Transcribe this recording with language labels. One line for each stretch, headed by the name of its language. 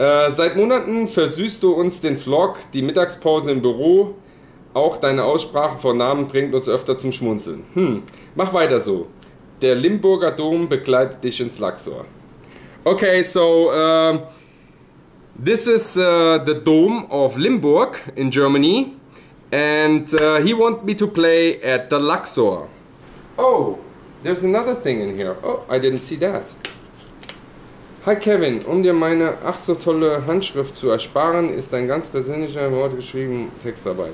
German: Seit Monaten versüßt du uns den Vlog, die Mittagspause im Büro. Auch deine Aussprache vor Namen bringt uns öfter zum Schmunzeln. Hm, mach weiter so. Der Limburger Dom begleitet dich ins Luxor.
English: Okay, so, this is the Dome of Limburg in Germany. And he wants me to play at the Luxor. Oh, there's another thing in here. Oh, I didn't see that.
German: Hi Kevin, um dir meine ach so tolle Handschrift zu ersparen, ist ein ganz persönlicher Wort geschrieben Text dabei.